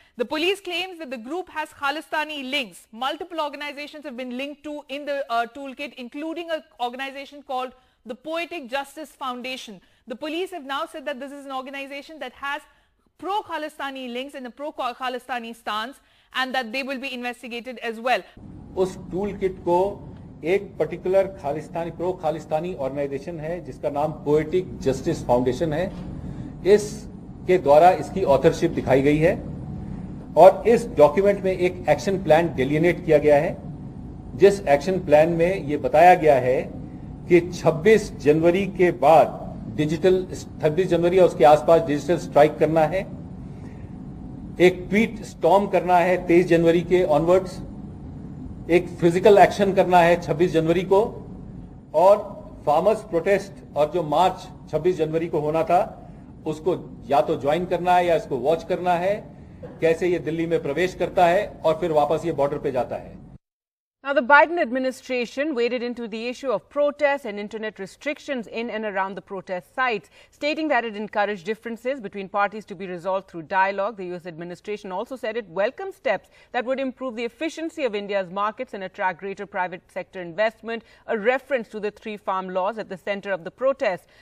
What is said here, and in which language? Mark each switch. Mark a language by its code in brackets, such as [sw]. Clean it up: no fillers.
[en] The police claims that the group has Khalistani links. Multiple organizations have been linked to in the toolkit, including an organization called the Poetic Justice Foundation. The police have now said that this is an organization that has pro-Khalistani links and a pro-Khalistani stance, and that they will be investigated as well. [hi] उस toolkit को एक particular Khalistani pro Khalistani organisation है जिसका नाम poetic justice foundation है, इस के द्वारा इसकी ऑथरशिप दिखाई गई है और इस डॉक्यूमेंट में एक एक्शन प्लान डेलिनेट किया गया है, जिस एक्शन प्लान में यह बताया गया है कि 26 जनवरी के बाद डिजिटल 26 जनवरी और उसके आसपास डिजिटल स्ट्राइक करना है, एक ट्वीट स्टॉर्म करना है 23 जनवरी के ऑनवर्ड्स, एक फिजिकल एक्शन करना है 26 जनवरी को, और फार्मर्स प्रोटेस्ट और जो मार्च 26 जनवरी को होना था उसको या तो ज्वाइन करना है या इसको वॉच करना है कैसे ये दिल्ली में प्रवेश करता है और फिर वापस ये बॉर्डर पे जाता है. [en] Now, the Biden administration waded into the issue of protests and internet restrictions in and around the protest sites, stating that it encouraged differences between parties to be resolved through dialogue. The U.S. administration also said it welcomed steps that would improve the efficiency of India's markets and attract greater private sector investment, a reference to the three farm laws at the center of the protest.